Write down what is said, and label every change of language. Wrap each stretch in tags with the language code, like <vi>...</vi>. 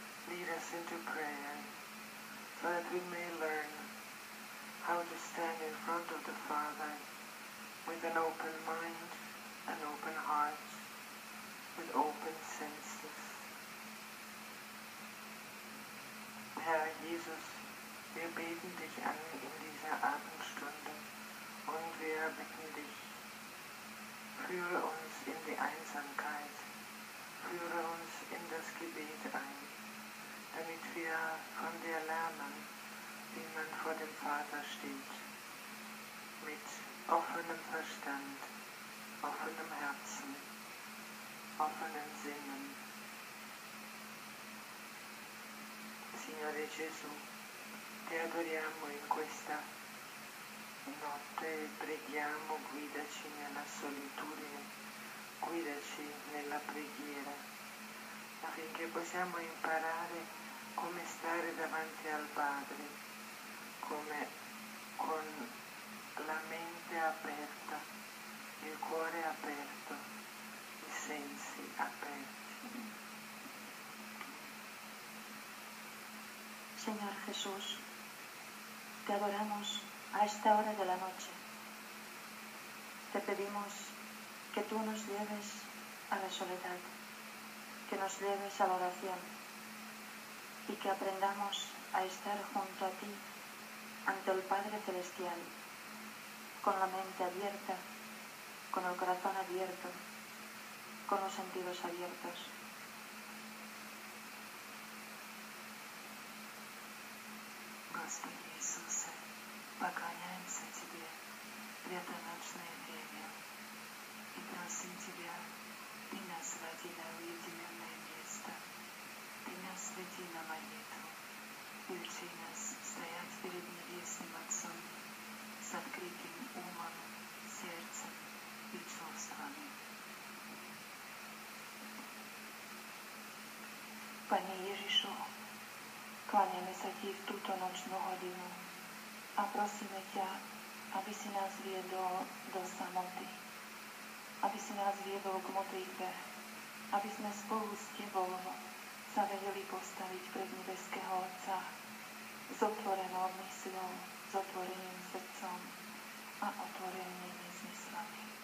<en>Lead us into prayer so that we may learn how to stand in front of the Father with an open mind, an open heart, with open senses.</en> <de>Herr Jesus, wir beten dich an in dieser Abendstunde und wir bitten dich, führe uns in die Einsamkeit, führe uns in das Gebet ein, damit wir von dir lernen, wie man vor dem Vater steht, mit offenem Verstand, offenem Herzen, offenen Sinnen.</de> <it>Signore Gesù, ti adoriamo in questa notte, preghiamo, guidaci nella solitudine, guidaci nella preghiera, affinché possiamo imparare come stare davanti al Padre, come con la mente aperta, il cuore aperto, i sensi aperti.</it> <es>Señor Jesús, te adoramos a esta hora de la noche. Te pedimos que tú nos lleves a la soledad, que nos lleves a la oración y que aprendamos a estar junto a ti, ante el Padre Celestial, con la mente abierta, con el corazón abierto, con los sentidos abiertos.</es> <ru>Господи Иисусе, поклоняемся Тебе в это ночное время и просим Тебя, Ты нас води на уединенное место, Ты нас веди на молитву и учи нас стоять перед Небесным Отцом с открытым умом, сердцем и чувствами.</ru> <sk>Пане Ježišu, kláňame sa Ti v túto nočnú hodinu a prosíme Ťa, aby si nás viedol do samoty, aby si nás viedol k modlitbe, aby sme spolu s Tebou sa vedeli postaviť pred Nebeského Otca s otvorenou mysľou, s otvoreným srdcom a otvorenými zmyslami.</sk>